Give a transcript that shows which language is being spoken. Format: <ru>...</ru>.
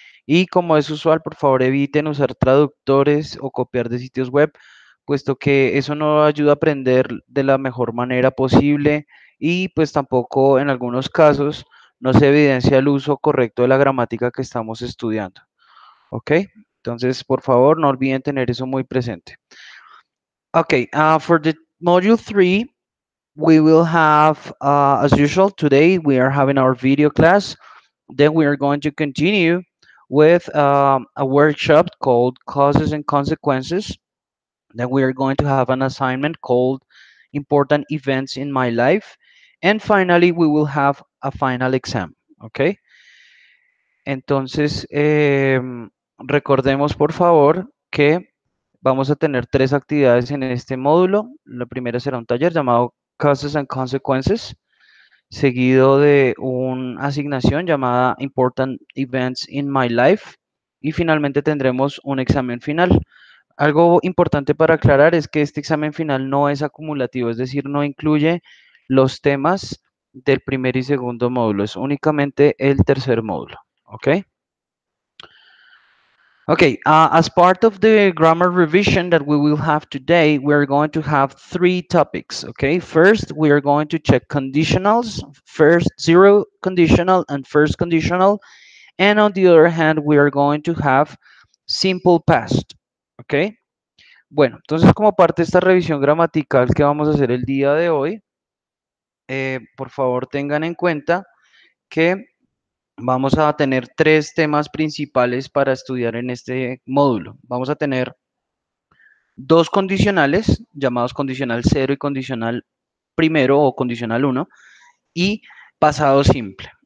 <es>Y como es usual, por favor, eviten usar traductores o copiar de sitios web, puesto que eso no ayuda a aprender de la mejor manera posible. Y pues tampoco en algunos casos no se evidencia el uso correcto de la gramática que estamos estudiando. ¿Ok? Entonces, por favor, no olviden tener eso muy presente.</es> <en>Ok, for the module 3, we will have, as usual, today we are having our video class. Then we are going to continue with a workshop called Causes and Consequences. Then we are going to have an assignment called Important Events in My Life. And finally, we will have a final exam, okay?</en> <es>Entonces, recordemos, por favor, que vamos a tener tres actividades en este módulo. La primera será un taller llamado Causes and Consequences, seguido de una asignación llamada Important Events in My Life, y finalmente tendremos un examen final. Algo importante para aclarar es que este examen final no es acumulativo, es decir, no incluye los temas del primer y segundo módulo, es únicamente el tercer módulo, okay?</es> <en>Okay, as part of the grammar revision that we will have today, we are going to have three topics, okay? First, we are going to check conditionals, first zero conditional and first conditional, and on the other hand, we are going to have simple past, okay?</en> <es>Bueno, entonces como parte de esta revisión gramatical que vamos a hacer el día de hoy, por favor, tengan en cuenta que vamos a tener tres temas principales para estudiar en este módulo. Vamos a tener dos condicionales, llamados condicional cero y condicional primero o condicional uno, y pasado simple.</es>